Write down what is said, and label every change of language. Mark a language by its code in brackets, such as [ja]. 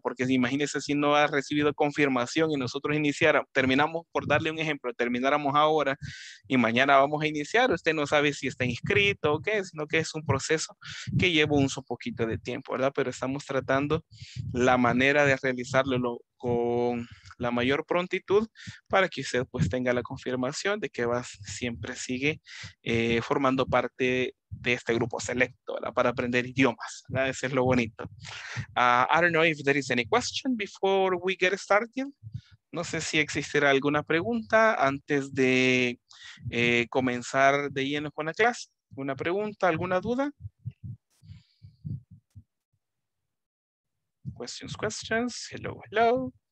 [es] Porque imagínense si no ha recibido confirmación y nosotros iniciáramos, terminamos, por darle un ejemplo, termináramos ahora y mañana vamos a iniciar, usted no sabe si está inscrito o qué, sino que es un proceso que lleva un poquito de tiempo, ¿verdad? Pero estamos tratando la manera de realizarlo con la mayor prontitud para que usted pues tenga la confirmación de que siempre sigue formando parte de este grupo selecto, ¿verdad? Para aprender idiomas, ¿verdad? Ese es lo bonito. [en] I don't know if there is any question before we get started. [es] No sé si existirá alguna pregunta antes de comenzar de lleno con la clase. ¿Una pregunta, alguna duda? [en] Questions, questions. Hello, hello.